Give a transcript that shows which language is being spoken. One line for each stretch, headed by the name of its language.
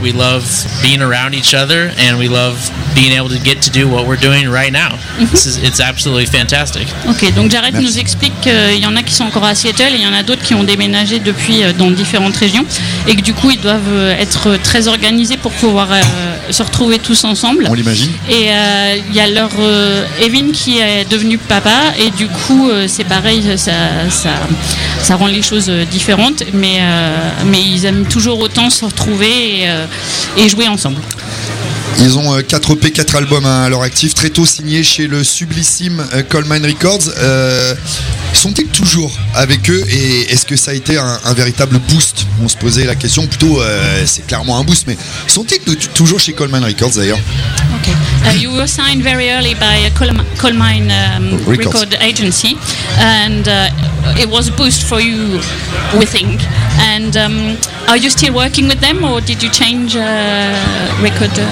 English: We love being around each other, and we love being able to get to do what we're doing right now. It's absolutely fantastic.
French: Okay, donc Jared Merci. Nous explique qu'il y en a qui sont encore à Seattle, et il y en a d'autres qui ont déménagé depuis dans différentes régions, et que du coup ils doivent être très organisés pour pouvoir se retrouver tous ensemble. On l'imagine. Et il y a leur Evan qui est devenu papa, et du coup c'est pareil, ça rend les choses différentes, mais ils aiment toujours autant se retrouver et jouer ensemble. Ils ont 4 EP, 4 albums à leur actif, très tôt signés chez le sublissime Coleman Records. Sont-ils toujours avec eux, et est-ce que ça a été un véritable boost? On se posait la question, plutôt c'est clairement un boost, mais sont-ils toujours chez Coleman Records d'ailleurs?
English: Okay. You were signed very early by Coleman Record Agency, and it was a boost for you, we think. And are you still working with them, or did you change record?